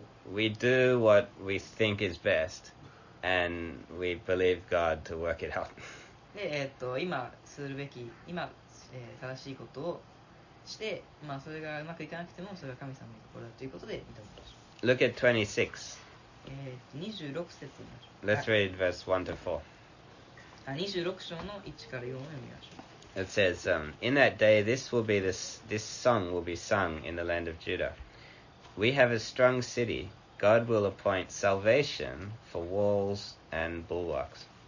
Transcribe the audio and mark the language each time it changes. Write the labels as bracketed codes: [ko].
[en] We do what we think is best, and we believe God to work it out. [ja] で、今するべき、今、正しいことをして、まあそれがうまくいかなくても、それは神様の心だということで見てみましょう。 [en] Look at 26. [ja] 26節見ましょう。 [en] Let's read verse 1 to 4. [ja] 26章の1から4を読みましょう。 [en] It says, in that day this song will be sung in the land of Judah. We have a strong city. God will appoint salvation for walls and bulwarks.